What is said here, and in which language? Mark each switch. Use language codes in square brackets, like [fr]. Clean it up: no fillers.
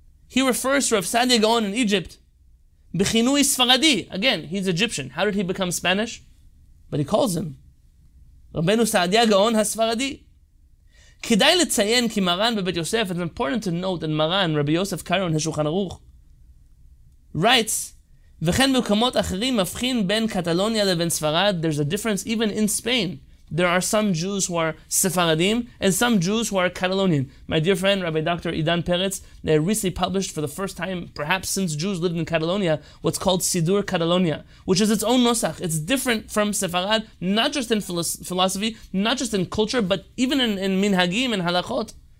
[en] He refers to Rav Saadia Gaon in Egypt. B'chinui Sfaradi. Again, he's Egyptian. How did he become Spanish? But he calls him Rabbeinu Saadia Gaon ha-Sfaradi. [he] Kidai l'tzayen ki Maran b'Bet Yosef. [en] It's important to note that Maran, Rabbi Yosef Karo in Shulchan Aruch, writes, [he] וכן במקומות אחרים מבחין בין קטלוניה לבין ספרד. [en] There's a difference even in Spain. There are some Jews who are Sephardim and some Jews who are Catalonian. My dear friend, Rabbi Dr. Idan Peretz, they recently published for the first time, perhaps since Jews lived in Catalonia, what's called Sidur Catalonia, which is its own Nosach. It's different from Sephard, not just in philosophy, not just in culture, but even in Minhagim and Halachot.